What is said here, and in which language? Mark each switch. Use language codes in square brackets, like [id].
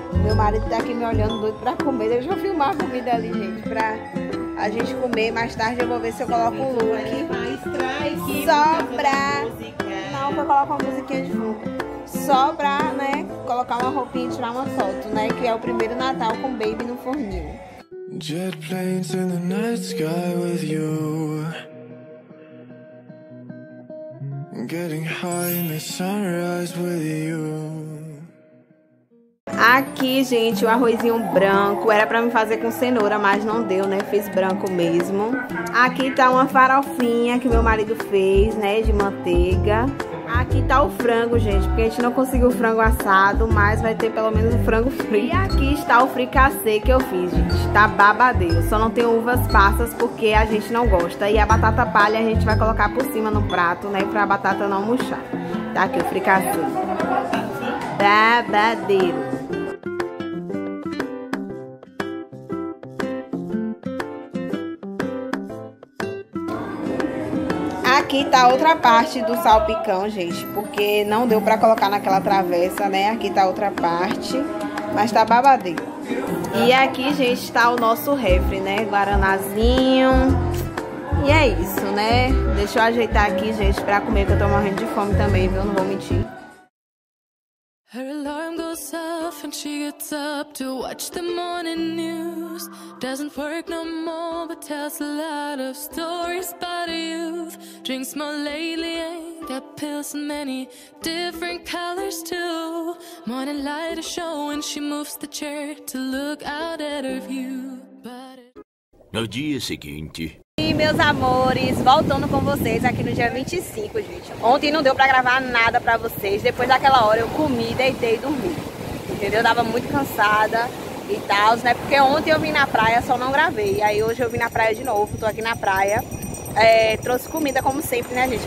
[pt] Meu marido tá aqui me olhando doido pra comer. Deixa eu filmar a comida ali, gente, pra a gente comer. Mais tarde eu vou ver se eu coloco o look. Aqui. Só pra... Não, vou colocar uma musiquinha de fogo. Só pra, né, colocar uma roupinha e tirar uma foto, né? Que é o primeiro Natal com o baby no forninho. [en] Jet planes in the night sky with you. Getting high in the sunrise with you. [pt] Aqui, gente, o arrozinho branco. Era pra me fazer com cenoura, mas não deu, né? Fiz branco mesmo. Aqui tá uma farofinha que meu marido fez, né? De manteiga. Aqui tá o frango, gente, porque a gente não conseguiu o frango assado, mas vai ter pelo menos o frango frito. E aqui está o fricassê que eu fiz, gente. Tá babadeiro. Só não tem uvas passas porque a gente não gosta. E a batata palha a gente vai colocar por cima no prato, né? Pra batata não murchar. Tá aqui o fricassê. Babadeiro. Aqui tá outra parte do salpicão, gente, porque não deu pra colocar naquela travessa, né? Aqui tá outra parte, mas tá babadeiro. E aqui, gente, tá o nosso refri, né? Guaranazinho. E é isso, né? Deixa eu ajeitar aqui, gente, pra comer, que eu tô morrendo de fome também, viu? Não vou mentir. [en] Her alarm goes off and she gets up to watch the morning news. Doesn't work no more, but tells a lot of stories about a youth. Drinks more lately, ain't got pills in many different colors too. Morning light is showing, she moves the chair to look out at her view. [pt] But it... No dia seguinte. E meus amores, voltando com vocês aqui no dia 25, gente. Ontem não deu pra gravar nada pra vocês. Depois daquela hora eu comi, deitei e dormi. Entendeu? Eu tava muito cansada e tal, né? Porque ontem eu vim na praia, só não gravei. Aí hoje eu vim na praia de novo, tô aqui na praia. É, trouxe comida como sempre, né, gente?